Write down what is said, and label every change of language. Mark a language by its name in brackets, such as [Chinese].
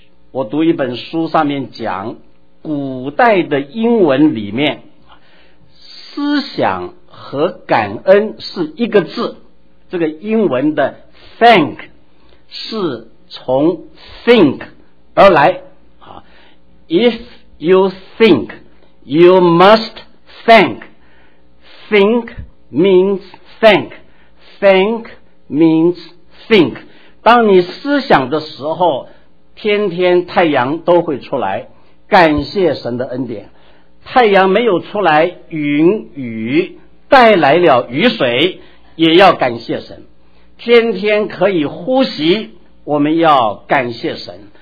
[Chinese] 我读一本书，上面讲古代的英文里面，思想和感恩是一个字，这个英文的 thank 是从 think 而来。 [English] If you think you must thank, think means thank, thank means think。 [Chinese] 当你思想的时候，天天太阳都会出来，感谢神的恩典。太阳没有出来，云雨带来了雨水，也要感谢神。天天可以呼吸，我们要感谢神。